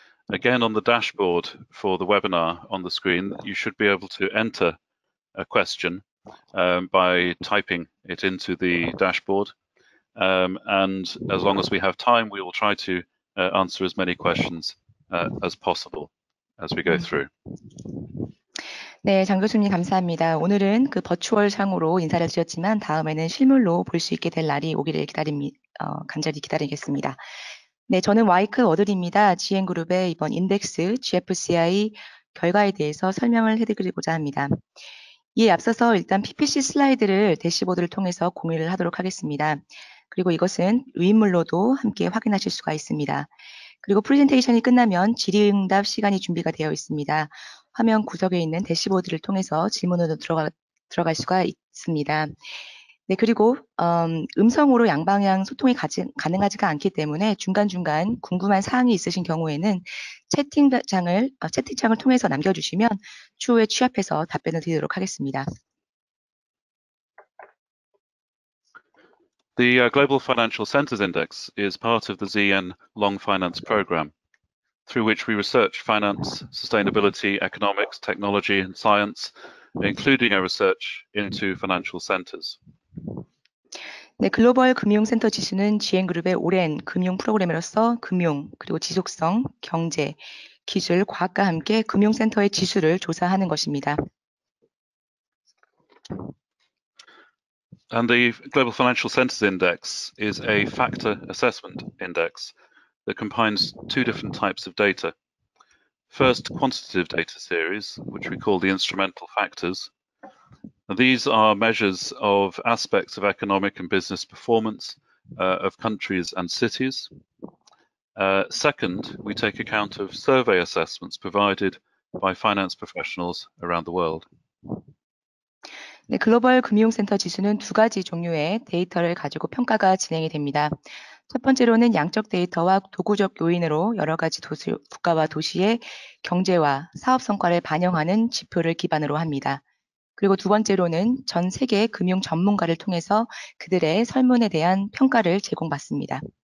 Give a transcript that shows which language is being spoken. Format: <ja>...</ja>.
<en>Again, on the dashboard for the webinar on the screen, you should be able to enter a question by typing it into the dashboard. And as long as we have time, we will try to answer as many questions as possible as we go through.</en> <ko>네, 장 교수님 감사합니다. 오늘은 그 버추얼상으로 인사를 드렸지만 다음에는 실물로 볼 수 있게 될 날이 오기를 간절히 기다리겠습니다. 네, 저는 와이크 워들입니다. GN그룹의 이번 인덱스 GFCI 결과에 대해서 설명을 해드리고자 합니다. 이에 앞서서 일단 PPC 슬라이드를 대시보드를 통해서 공유를 하도록 하겠습니다. 그리고 이것은 위인물로도 함께 확인하실 수가 있습니다. 그리고 프레젠테이션이 끝나면 질의응답 시간이 준비가 되어 있습니다. 화면 구석에 있는 대시보드를 통해서 질문으로 들어갈 수가 있습니다. 네, 그리고 음성으로 양방향 소통이 가능하지가 않기 때문에 중간중간 궁금한 사항이 있으신 경우에는 채팅창을 통해서 남겨주시면 추후에 취합해서 답변을 드리도록 하겠습니다.</ko> <en>The Global Financial Centers Index is part of the ZEN Long Finance Program, through which we research finance, sustainability, economics, technology, and science, including our research into financial centers.</en> <ko>네, 글로벌 금융센터 지수는 GN그룹의 오랜 금융 프로그램으로서 금융, 그리고 지속성, 경제, 기술, 과학과 함께 금융센터의 지수를 조사하는 것입니다.</ko> <en>And the Global Financial Centers Index is a factor assessment index that combines two different types of data. First, quantitative data series, which we call the instrumental factors. Now, these are measures of aspects of economic and business performance of countries and cities. Second, we take account of survey assessments provided by finance professionals around the world.</en> <ko>네, 글로벌 금융센터 지수는 두 가지 종류의 데이터를 가지고 평가가 진행이 됩니다. 첫 번째로는 양적 데이터와 도구적 요인으로 여러 가지 국가와 도시의 경제와 사업 성과를 반영하는 지표를 기반으로 합니다. 그리고 두 번째로는 전 세계 금융 전문가를 통해서 그들의 설문에 대한 평가를 제공받습니다.</ko>